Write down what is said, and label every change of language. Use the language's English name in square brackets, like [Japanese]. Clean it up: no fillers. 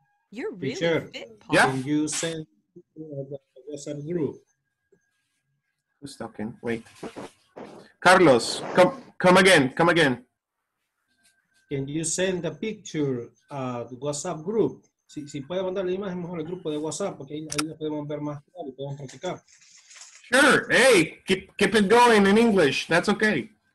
[English] You're really teacher, fit, yeah. Can you send a WhatsApp group? Who's talking? Wait. Carlos, come again. Can you send a picture to WhatsApp group? [Spanish] Si puede mandar la imagen mejor al grupo de WhatsApp, porque ahí la podemos ver más claro y podemos practicar. [English] Sure, hey, keep it going in English, that's okay.